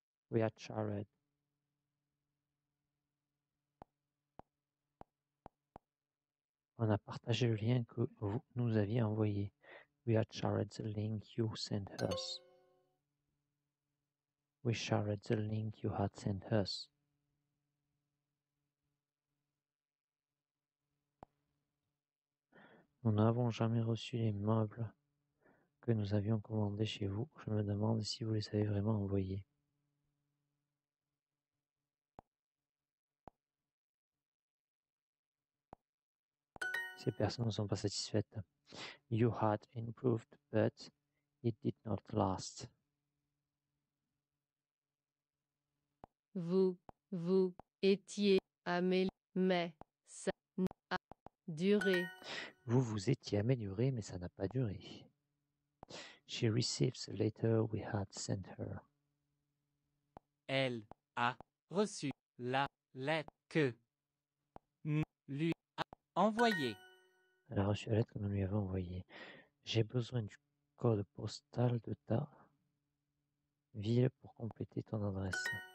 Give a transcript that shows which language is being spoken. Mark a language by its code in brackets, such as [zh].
[en] We are shared. [fr] On a partagé le lien que vous nous aviez envoyé. [en] We are shared the link you sent us. We shared the link you had sent us. [fr] Nous n'avons jamais reçu les meubles que nous avions commandés chez vous. Je me demande si vous les avez vraiment envoyés. Ces personnes ne sont pas satisfaites. [en] You had improved, but it did not last. [fr] Vous étiez amélioré, mais ça n'a duré. Vous vous étiez amélioré, mais ça n'a pas duré. [en] She received the letter we had sent her. [fr] Elle a reçu la lettre que nous lui avons envoyée. Elle a reçu la lettre que nous lui avons envoyée. J'ai besoin du code postal de ta ville pour compléter ton adresse.